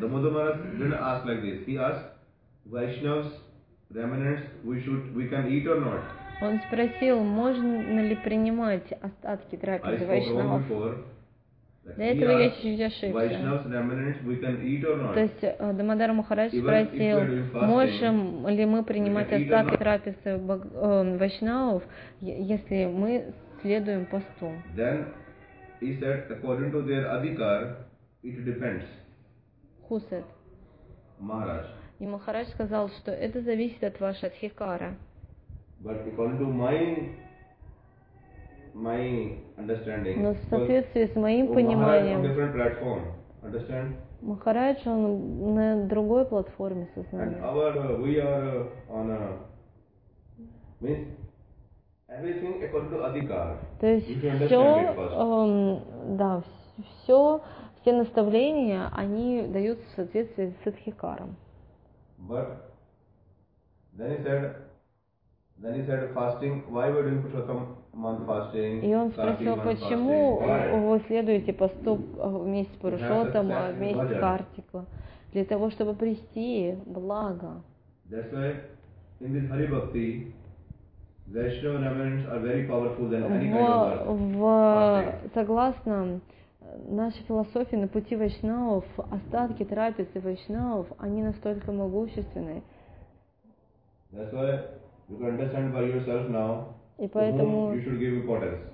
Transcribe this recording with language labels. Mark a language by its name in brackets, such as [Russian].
[English] Damodar Maharaj didn't ask like this. He asked Vaishnavs, remnants, we can eat or not. [Russian] Он спросил, можно ли принимать остатки трапезы Вайшнавов. До этого я чуть-чуть ошибся. [English] Vaishnavs, remnants, we can eat or not. [Russian] То есть Дамодар Махарадж спросил, можем ли мы принимать остатки трапезы Вайшнавов, если мы следуем посту. [English] Then he said, according to their adhikar, it depends. Хусет. [Russian] Махарадж. И Махарадж сказал, что это зависит от вашей адхикара. [English] But according to my understanding. [Russian] Но в соответствии с моим пониманием. [English] Махарадж on different platform. Understand? [Russian] Махарадж он на другой платформе со знанием. [English] And our we are on a means everything according to adhikar. [Russian] То есть все, да, все. Все наставления, они даются в соответствии с адхикаром. [English] But then he said fasting, why we're doing Purushottam month fasting? [Russian] И он спросил, почему вы следуете посту вместе с Пурушоттам, а вместе с Картика? Для того, чтобы прийти благо. [English] That's why in this Hari Bhakti, Vaishnava remnants are very powerful than any kind of fasting. [Russian] Согласно наша философия на пути вайшнавов, остатки трапезы вайшнавов, они настолько могущественны. [English] That's why you can understand by yourself now. [Russian] И поэтому [English] you should give importance.